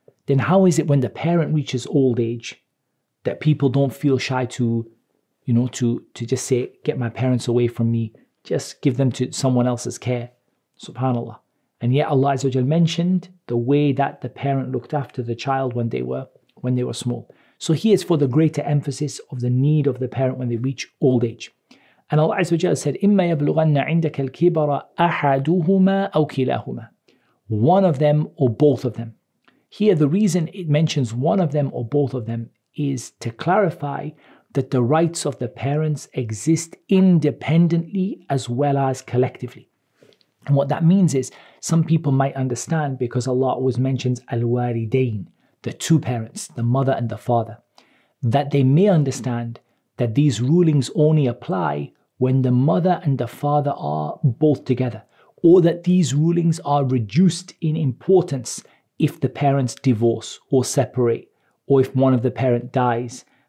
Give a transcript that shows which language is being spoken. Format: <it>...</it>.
<en>Then how is it when the parent reaches old age that people don't feel shy to, you know, to just say, get my parents away from me. Just give them to someone else's care. SubhanAllah. And yet Allah Azza wa Jalla mentioned the way that the parent looked after the child when they were small. So here is for the greater emphasis of the need of the parent when they reach old age. And Allah Azza wa Jalla said,</en> <ar>إِمَّا يَبْلُغَنَّ عِنْدَكَ الْكِبَرَ أَحَدُهُمَا أَوْ كِلَاهُمَا.</ar> <en>One of them or both of them. Here the reason it mentions one of them or both of them is to clarify that the rights of the parents exist independently as well as collectively. And what that means is, some people might understand, because Allah always mentions al-waridain, the two parents, the mother and the father, that they may understand that these rulings only apply when the mother and the father are both together, or that these rulings are reduced in importance if the parents divorce or separate, or if one of the parents dies.</en>